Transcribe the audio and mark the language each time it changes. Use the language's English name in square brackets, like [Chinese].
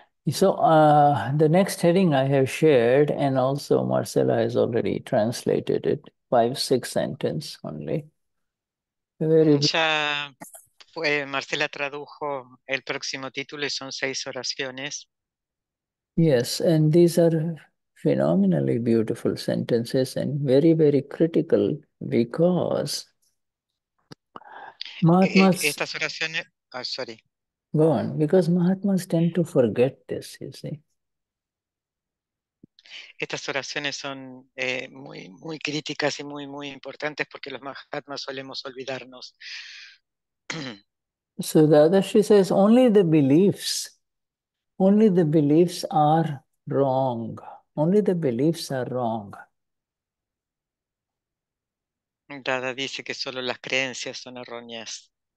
[English] So the next heading I have shared, and also Marcela has already translated it, 5-6 sentence only. [Spanish] Very mucha, Marcela tradujo el próximo título y son 6 oraciones. [English] Yes, and these are phenomenally beautiful sentences and very, very critical because Mahatmas... [Spanish] Estas oraciones... [English] Oh, sorry. Go on, because Mahatmas tend to forget this, you see. [Spanish] Estas oraciones son muy, muy críticas y muy, muy importantes porque los Mahatmas solemos olvidarnos. [English] So Dadashri says, only the beliefs are wrong. Only the beliefs are wrong. [Spanish] Dada dice que solo las creencias son erróneas.